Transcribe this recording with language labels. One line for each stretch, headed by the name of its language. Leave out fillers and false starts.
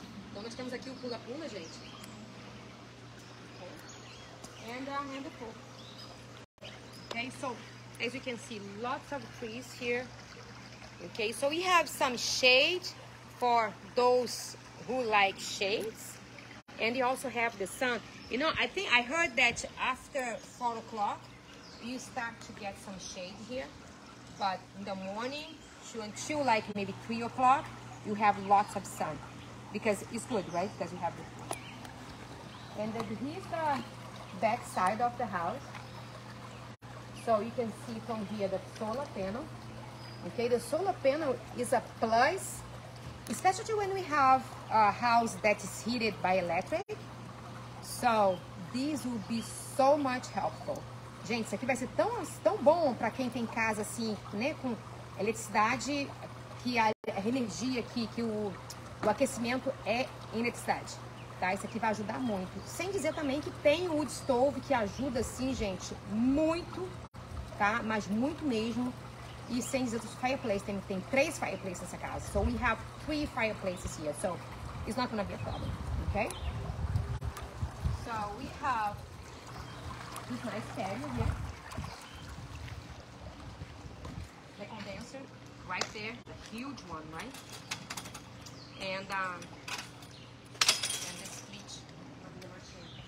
Portuguese: Então nós temos aqui o pula-pula, gente.
English: And the pool. Okay, so as you can see, lots of trees here. Okay, so we have some shade for those who like shades. And you also have the sun. You know, I think I heard that after 4 o'clock you start to get some shade here. But in the morning, until like maybe 3 o'clock, you have lots of sun. Because it's good, right? Because you have the sun. And here's the back side of the house. So you can see from here the solar panel. Okay, the solar panel is a plus, especially when we have a house that is heated by electric. So this will be so much helpful.
Portuguese: Gente, isso aqui vai ser tão, tão bom para quem tem casa assim, né, com eletricidade, que a energia aqui, que o aquecimento é em eletricidade, tá? Isso aqui vai ajudar muito. Sem dizer também que tem o wood stove, que ajuda sim, gente, muito, tá? Mas muito mesmo. e sem dizer dos fireplaces, tem três fireplaces nessa casa.
English: So we have three fireplaces here, so it's not gonna be a problem, okay? So we have this nice patio here. The condenser, right there, the huge one, right? And this fridge.